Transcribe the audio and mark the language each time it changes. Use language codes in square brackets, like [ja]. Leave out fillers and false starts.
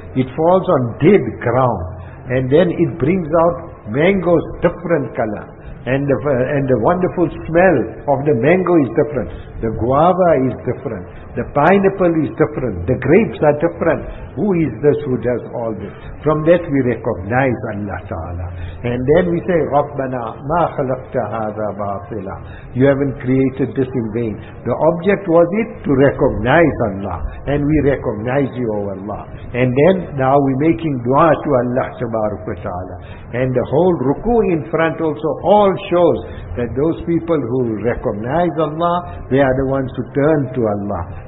[en] It falls on dead ground, and then it brings out mangoes different color, and the wonderful smell of the mango is different, the guava is different, the pineapple is different, the grapes are different. Who is this who does all this? From that we recognize Allah Ta'ala. And then we say, [ar] رَبَّنَا مَا خَلَقْتَ هَذَا بَاطِلًا. [en] You haven't created this in vain. The object was it to recognize Allah. And we recognize you, O Allah. And then now we're making dua to Allah Subhanahu wa Ta'ala. And the whole ruku in front also all shows that those people who recognize Allah, they are the ones who turn to Allah.